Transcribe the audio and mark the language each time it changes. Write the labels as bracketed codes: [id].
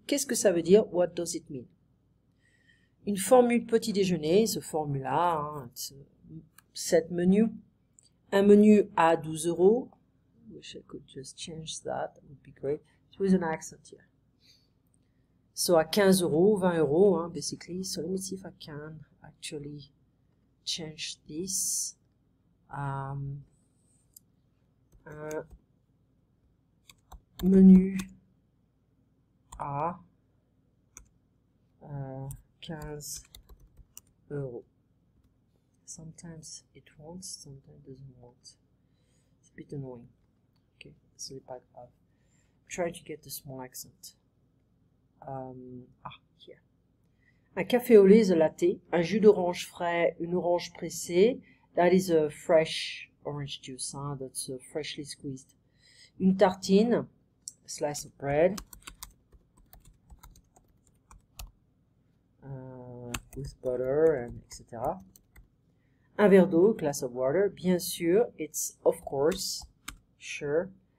[fr] Qu'est-ce que ça veut dire? [en] What does it mean? [fr] Une formule petit déjeuner, ce formula. Hein, [en] set menu. [fr] Un menu à 12 euros. [en] Wish I could just change that. That would be great. With an accent here. So à 15 euros, 20 euros, hein, basically. So let me see if I can actually change this. [fr] Un menu à 15 euros. [en] Sometimes it wants, sometimes it doesn't want. It's a bit annoying. Okay, so it's [fr] pas grave. [en] Try to get the small accent. Here. [fr] Un café au lait [en] is a latte. [fr] Un jus d'orange frais, une orange pressée. [en] That is a fresh orange juice. Hein? That's a freshly squeezed. [fr] Une tartine, [en] a slice of bread. with butter and etc. [fr] Un verre d'eau, [en] glass of water, [fr] bien sûr, [en] it's of course, sure.